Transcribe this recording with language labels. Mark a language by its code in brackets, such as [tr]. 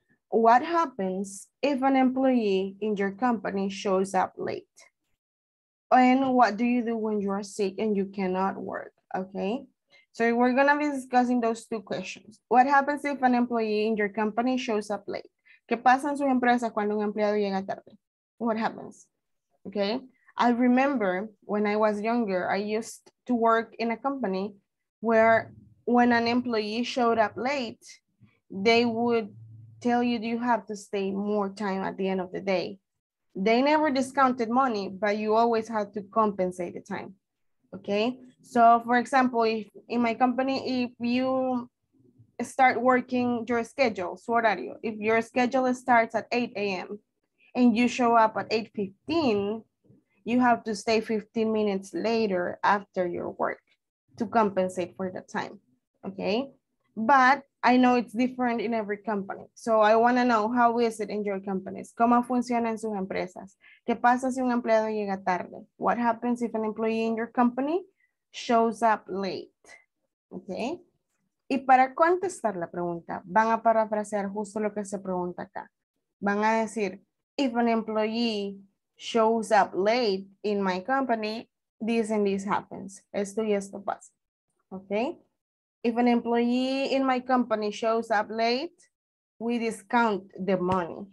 [en] What happens if an employee in your company shows up late? And what do you do when you are sick and you cannot work, okay? So we're gonna be discussing those two questions. What happens if an employee in your company shows up late? [es] ¿Qué pasa en su empresa cuando un empleado llega tarde? [en] What happens, okay? I remember when I was younger, I used to work in a company where when an employee showed up late, they would tell you you have to stay more time at the end of the day. They never discounted money, but you always had to compensate the time, okay? So for example, if in my company, if you start working your schedule, [es] su horario, [en] if your schedule starts at 8 a.m. and you show up at 8:15, you have to stay 15 minutes later after your work to compensate for the time, okay? But I know it's different in every company. So I want to know, how is it in your companies? [es] ¿Cómo funciona en sus empresas? ¿Qué pasa si un empleado llega tarde? [en] What happens if an employee in your company shows up late? Okay. [es] Y para contestar la pregunta, van a parafrasear justo lo que se pregunta acá. Van a decir, [en] if an employee shows up late in my company, this and this happens. [es] Esto y esto pasa. [en] Okay. If an employee in my company shows up late, we discount the money.